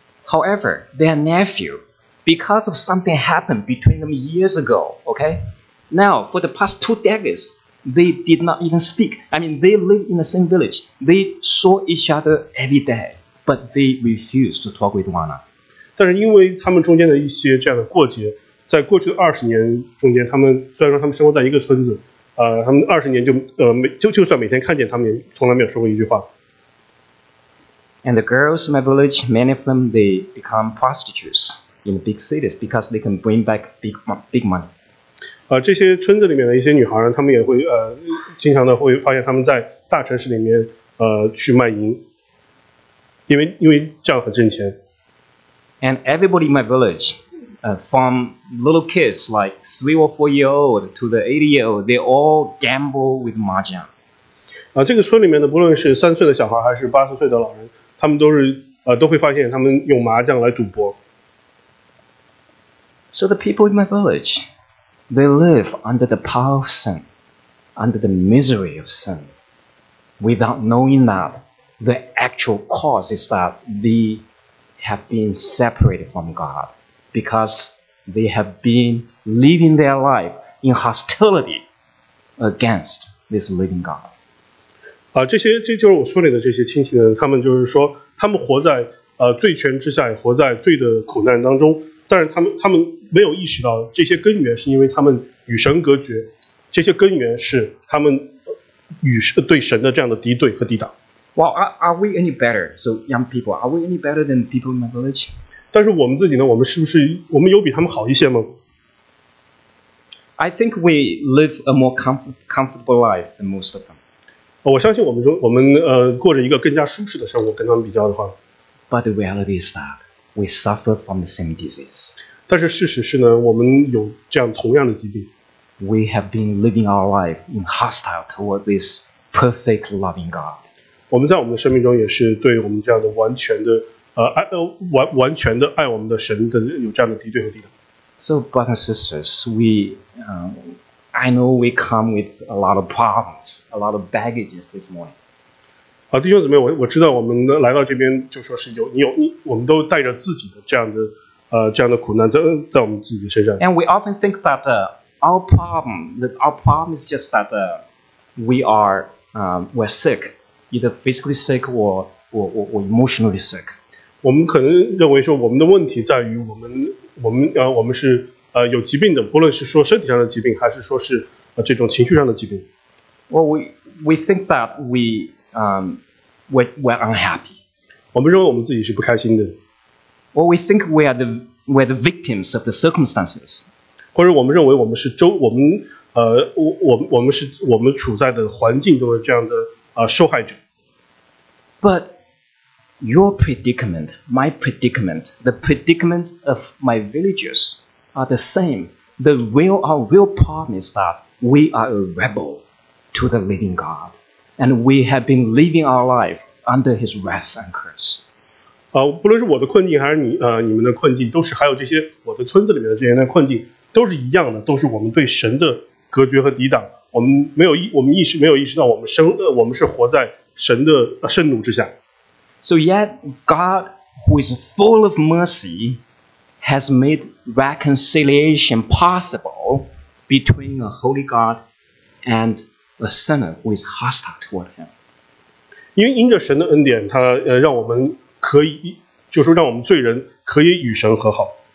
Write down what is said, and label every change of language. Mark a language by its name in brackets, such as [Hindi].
[English] However, their nephew, because of something happened between them years ago, okay, now for the past 2 decades, they did not even speak. I mean, they live in the same village. They saw each other every day, but they refused to talk with one another. [Chinese] 但是因为他们中间的一些这样的过节，在过去的20年中间，他们虽然说他们生活在一个村子，他们20年就算每天看见，他们也从来没有说过一句话。 [English] And the girls in my village, many of them, they become prostitutes in the big cities because they can bring back big money. [Chinese] 这些村子里面的一些女孩，她们也会经常的会发现他们在大城市里面去卖淫，因为这样很挣钱。 [English] And everybody in my village, from little kids like 3 or 4 year old to the 80 year old, they all gamble with mahjong. [Chinese] 这个村里面的不论是3岁的小孩还是80岁的老人，他们都是都会发现他们用麻将来赌博。 [English] So the people in my village, they live under the power of sin, under the misery of sin, without knowing that the actual cause is that they have been separated from God because they have been living their life in hostility against this living God. [Chinese] 这就是我村里的这些亲戚呢，他们就是说他们活在罪权之下，活在罪的苦难当中，但是他们没有意识到这些根源是因为他们与神隔绝，这些根源是他们与对神的这样的敌对和抵挡。 [English] Well, are we any better? So young people, are we any better than people in my village? [Chinese] 但是我们自己呢，我们是不是我们有比他们好一些吗？ [English] I think we live a more comfortable life than most of them. [Chinese] 我相信我们说我们过着一个更加舒适的生活，跟他们比较的话。 [English] But the reality is that we suffer from the same disease. [Chinese] 但是事实是呢，我们有这样同样的疾病。 [English] We have been living our life in hostile toward this perfect loving God. [Chinese] 我们在我们的生命中也是对我们这样的完全的完全的爱我们的神的有这样的敌对和敌挡。 [English] So, brothers and sisters, we, I know we come with a lot of problems, a lot of baggages this morning. [Chinese] 好，弟兄姊妹，我知道我们来到这边就说是有你有你，我们都带着自己的这样的苦难在我们自己身上。 [English] And we often think that our problem is just that we're sick, either physically sick or emotionally sick. [Chinese] 我们可能认为说我们的问题在于我们是有疾病的，不论是说身体上的疾病，还是说是这种情绪上的疾病。 [English] Well, we think that we're unhappy. [Chinese] 我们认为我们自己是不开心的。 [English] Well, we think we're the victims of the circumstances. [Chinese] 或者我们认为我们是周我们呃我我们是我们处在的环境中的这样的受害者。 [English] But your predicament, my predicament, the predicament of my villagers are the same. Our real problem is that we are a rebel to the living God, and we have been living our life under His wrath and curse. [Chinese] 不论是我的困境还是你们的困境，都是还有这些我的村子里面的这些人的困境，都是一样的，都是我们对神的隔绝和抵挡。我们没有意识到我们是活在神的圣怒之下。 [English] So yet, God, who is full of mercy, has made reconciliation possible between a holy God and a sinner who is hostile toward Him. [Chinese] 因着神的恩典，他让我们可以，就是让我们罪人可以与神和好。